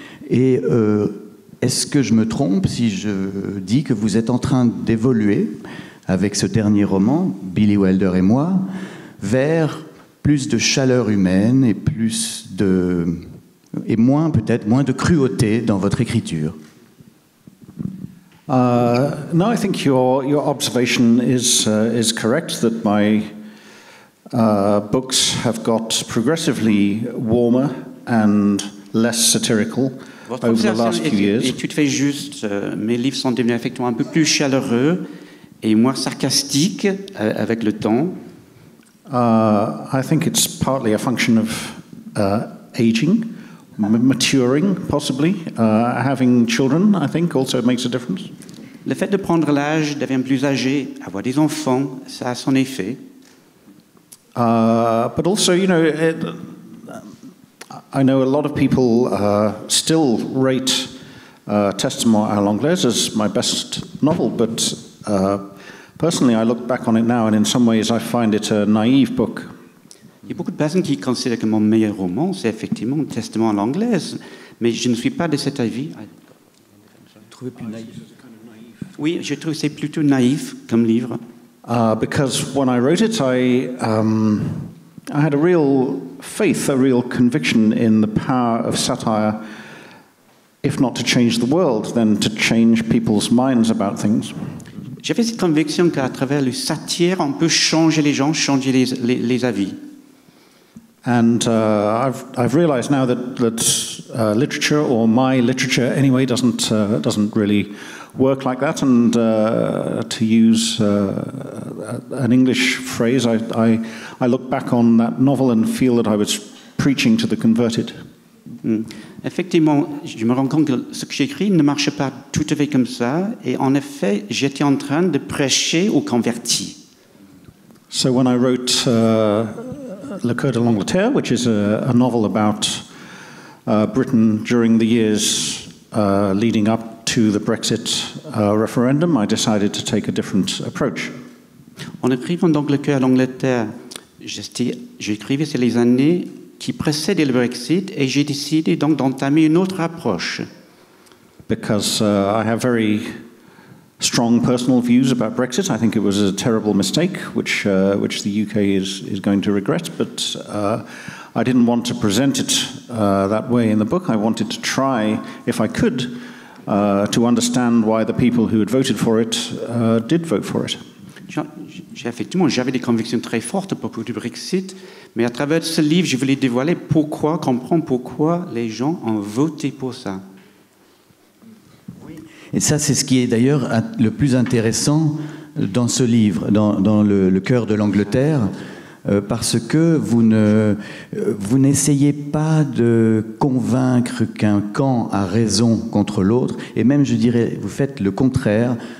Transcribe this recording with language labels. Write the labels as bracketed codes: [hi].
[fr] Est-ce que je me trompe si je dis que vous êtes en train d'évoluer avec ce dernier roman, Billy Wilder et moi, vers plus de chaleur humaine et plus de et moins peut-être moins de cruauté dans votre écriture? [en] No, I think your observation is correct that my books have got progressively warmer and less satirical. [fr] Votre observation est tout à fait juste. Mes livres sont devenus effectivement un peu plus chaleureux et moins sarcastiques avec le temps. [en] I think it's partly a function of aging, maturing, possibly. Having children, I think, also makes a difference. [fr] Le fait de prendre l'âge, devenir plus âgé, avoir des enfants, ça a son effet. [en] But also, you know... I know a lot of people still rate Testament à l'anglaise as my best novel, but personally, I look back on it now, and in some ways, I find it a naive book. [fr] Il y a beaucoup de personnes qui considèrent que mon meilleur roman, c'est effectivement Testament à l'anglaise, mais je ne suis pas de cet avis. Trouvez plus naïf. Oui, je trouve que c'est plutôt naïf comme livre. [en] Because when I wrote it, I had a real faith, a real conviction in the power of satire, if not to change the world, then to change people's minds about things. [fr] J'avais cette conviction qu'à travers le satire, on peut changer les gens, changer les avis. [en] And I've realized now that literature, or my literature anyway, doesn't really work like that. And to use an English phrase, I look back on that novel and feel that I was preaching to the converted. [fr] Effectivement, je me rends compte que ce que j'écris ne marche pas tout à fait comme ça. Et en effet, j'étais en train de prêcher aux convertis. [en] So when I wrote Le Coeur de l'Angleterre, which is a novel about Britain during the years leading up to the Brexit referendum, I decided to take a different approach. [fr] En écrivant donc Le Coeur de l'Angleterre, j'écrivais sur les années qui précédaient le Brexit et j'ai décidé donc d'entamer une autre approche. [en] Because I have very strong personal views about Brexit. I think it was a terrible mistake, which the UK is going to regret. But I didn't want to present it that way in the book. I wanted to try, if I could, to understand why the people who had voted for it did vote for it. [fr] Effectivement, j'avais des convictions très fortes à propos du Brexit, mais à travers ce livre, je voulais dévoiler pourquoi, comprendre pourquoi les gens ont voté pour ça. Et ça, c'est ce qui est d'ailleurs le plus intéressant dans ce livre, dans le cœur de l'Angleterre, parce que vous n'essayez pas de convaincre qu'un camp a raison contre l'autre, et même, je dirais, vous faites le contraire.